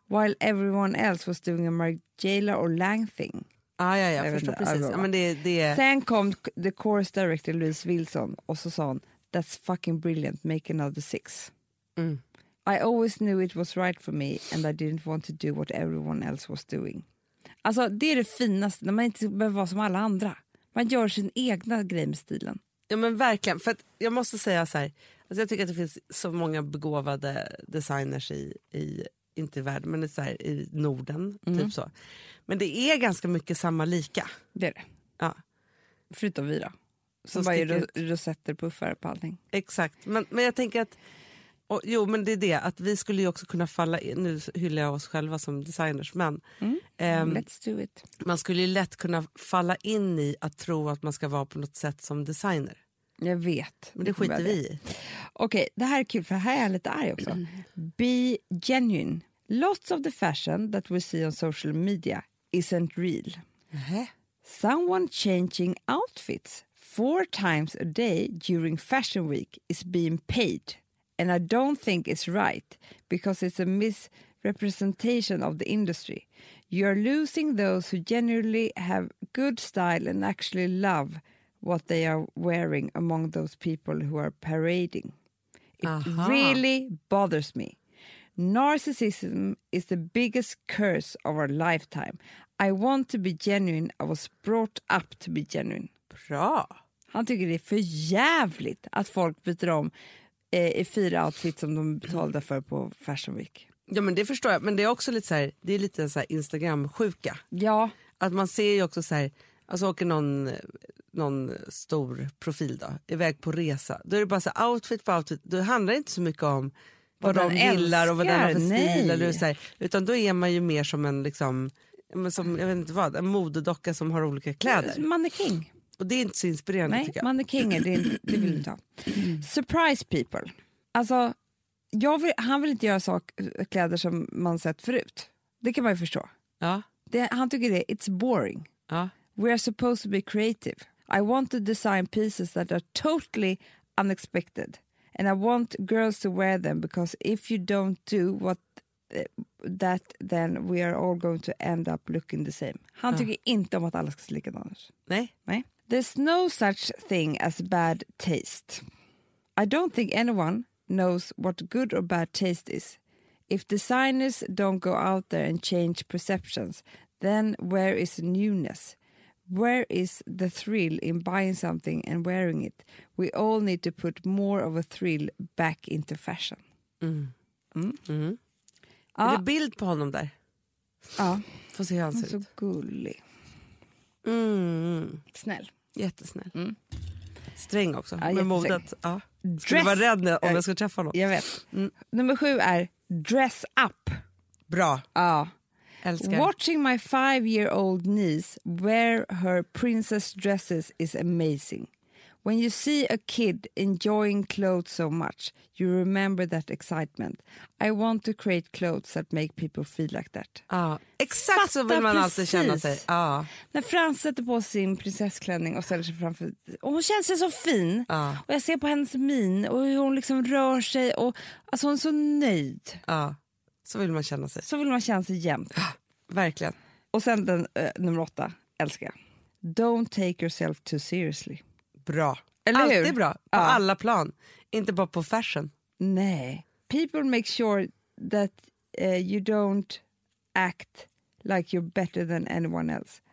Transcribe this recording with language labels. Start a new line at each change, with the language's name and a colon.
English: While everyone else was doing a margiela or lang thing.
Swedish: Ja, jag förstår precis. Ja, men det... Sen kom
English: the course director Louise Wilson
Swedish: och så sa hon,
English: that's fucking brilliant, make another 6.
Swedish: Mm.
English: I always knew it was right for me and I didn't want to do what everyone else was doing.
Swedish: Alltså det är det finaste, när man inte behöver vara som alla andra. Man gör sin egna grej med stilen. Ja, men verkligen, för att jag måste säga så här, alltså jag tycker att det finns så många begåvade designers i inte i världen, men så här, i Norden typ så. Men det är ganska mycket samma lika. Det är det. Ja. Förutom vi då. Som bara är rosetter, puffar på allting. Exakt, men jag tänker att och, jo, men det är det. Att vi skulle ju också kunna falla in. Nu hyllar jag oss själva som designers, men...
English: Let's do it.
Swedish: Man skulle ju lätt kunna falla in i att tro att man ska vara på något sätt som designer. Jag vet. Men det skiter vi i. Okej, det här är kul, för här är jag lite arg också.
English: Be genuine. Lots of the fashion that we see on social media isn't real. Someone changing outfits 4 times a day during fashion week is being paid. And I don't think it's right because it's a misrepresentation of the industry. You're losing those who genuinely have good style and actually love what they are wearing among those people who are parading. It really bothers me. Narcissism is the biggest curse of our lifetime. I want to be genuine. I was brought up to be genuine.
Swedish: Bra. Han tycker det är för jävligt att folk byter om i 4 outfits som de betalade för på Fashion Week. Ja, men det förstår jag. Men det är också lite så här, det är lite så här Instagram-sjuka. Ja. Att man ser ju också så här, alltså åker någon stor profil då, iväg på resa. Då är det bara så här, outfit på outfit. Då handlar det inte så mycket om vad de gillar och vad den har för stil. Eller så här, utan då är man ju mer som en liksom, som, jag vet inte vad, en modedocka som har olika kläder. Mannequin. Och det är inte så inspirerande. Nej, tycker jag. Man är king, det vill inte ha.
English: Surprise people.
Swedish: Alltså, han vill inte göra kläder som man sett förut. Det kan man ju förstå. Ja. Han tycker det,
English: it's boring.
Swedish: Ja.
English: We are supposed to be creative. I want to design pieces that are totally unexpected. And I want girls to wear them because if you don't do that then we are all going to end up looking the same.
Swedish: Han tycker inte om att alla ska se likadant. Nej.
English: There's no such thing as bad taste. I don't think anyone knows what good or bad taste is. If designers don't go out there and change perceptions, then where is newness? Where is the thrill in buying something and wearing it? We all need to put more of a thrill back into fashion.
Swedish: Är det bild på honom där? Ja. Får se hur han ser ut. Så gullig. Snäll. Jättesnäll. Sträng också. Ja, med modet. Ja. Skulle vara rädd om jag ska träffa honom. Jag vet. Nummer 7 är dress up. Bra. Ja. Älskar.
English: Watching my 5-year-old niece wear her princess dresses is amazing. When you see a kid enjoying clothes so much, you remember that excitement. I want to create clothes that make people feel like that.
Swedish: Ah, exakt. Fattar, så vill man alltid känna sig. Ah. När Frans sätter på sin prinsessklänning och ställer sig framför... Och hon känns så fin. Ah. Och jag ser på hennes min och hur hon liksom rör sig. Och, alltså hon är så nöjd. Ah. Så vill man känna sig. Så vill man känna sig jämt. Ah, verkligen. Och sen den nummer 8, älskar jag.
English: Don't take yourself too seriously.
Swedish: Bra. Eller alltid hur? Bra. På ja. Alla plan. Inte bara på fashion. Nej.
English: People make sure that you don't act like you're better than anyone else.